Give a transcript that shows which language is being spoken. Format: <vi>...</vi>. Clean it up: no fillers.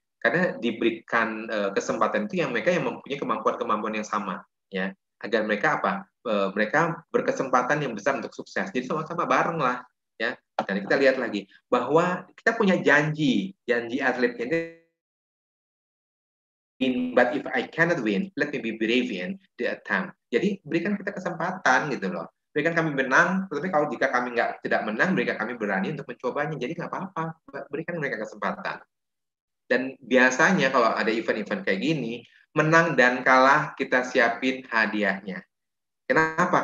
<id>Karena diberikan kesempatan itu yang mereka yang mempunyai kemampuan-kemampuan yang sama, ya. Agar mereka apa? Mereka berkesempatan yang besar untuk sukses. Jadi sama-sama bareng lah, ya. Dan kita lihat lagi bahwa kita punya janji atlet ini.</id> <en>But if I cannot win, let me be brave in the attempt.</en> <id>Jadi berikan kita kesempatan gitu loh. Berikan kami menang, tapi kalau jika kami tidak menang, berikan kami berani untuk mencobanya. Jadi nggak apa-apa, berikan mereka kesempatan. Dan biasanya kalau ada event-event kayak gini, menang dan kalah kita siapin hadiahnya. Kenapa?</id>